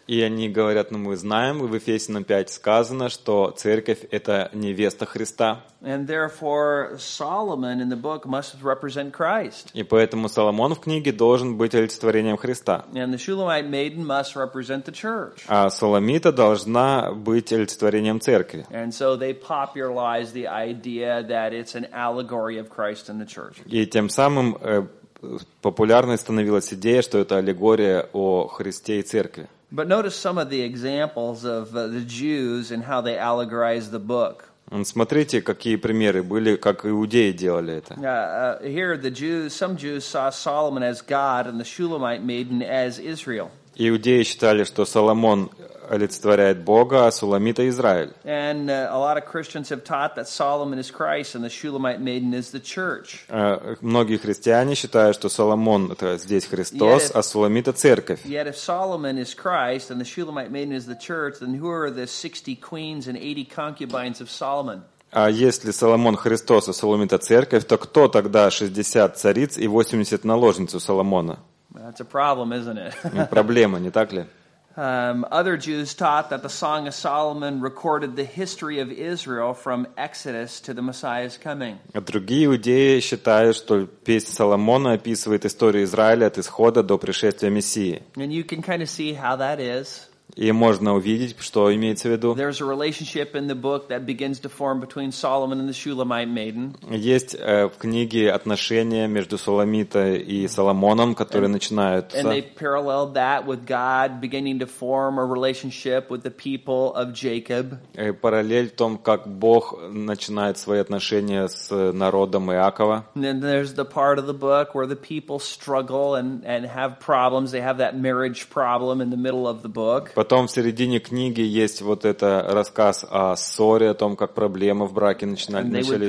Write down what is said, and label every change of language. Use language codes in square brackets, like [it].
[ru] И они говорят, ну мы знаем, в Ефесянам 5 сказано, что церковь это невеста Христа. [en] And therefore Solomon in the book must represent Christ. [ru] И поэтому Соломон в книге должен быть олицетворением Христа. [en] And the Shulamite maiden must represent the church. [ru] А Соломита должна быть олицетворением церкви. [en] And so they popularize the idea that it's an allegory of Christ. [ru] И тем самым популярной становилась идея, что это аллегория о Христе и Церкви. [en] But notice some of the examples of the Jews and how they allegorized the book. [ru] Смотрите, какие примеры были, как иудеи делали это. [en] Here the Jews, some Jews saw Solomon as God and the Shulamite maiden as Israel. [ru] Иудеи считали, что Соломон олицетворяет Бога, а Суламита Израиль. [en] And a lot of Christians have taught that Solomon is Christ and the Shulamite maiden is the church. [ru] Многие христиане считают, что Соломон это здесь Христос, а Суламита церковь. [en] Yet if Solomon is Christ and the Shulamite maiden is the church, then who are the 60 queens and 80 concubines of Solomon? [ru] А если Соломон Христос, а Суламита церковь, то кто тогда 60 цариц и 80 наложниц у Соломона? [en] That's a problem, isn't it? [ru] Проблема, не так ли? [en] Other Jews taught that the Song of Solomon recorded the history of Israel from Exodus to the Messiah's coming. [ru] Другие иудеи считают, что песнь Соломона описывает историю Израиля от исхода до пришествия Мессии. [en] And you can kind of see how that is. [ru] И можно увидеть, что имеется в виду. [en] There's a relationship in the book that begins to form between Solomon and the Shulamite maiden. [ru] Есть в книге отношения между Соломитой и Соломоном, которые начинаются. [en] And they parallel that with God beginning to form a relationship with the people of Jacob. [ru] И параллель в том, как Бог начинает свои отношения с народом Иакова. [en] And there's the part of the book where the people struggle and have problems. They have that marriage problem in the middle of the book. [ru] Потом в середине книги есть вот это рассказ о ссоре, о том, как проблемы в браке начались.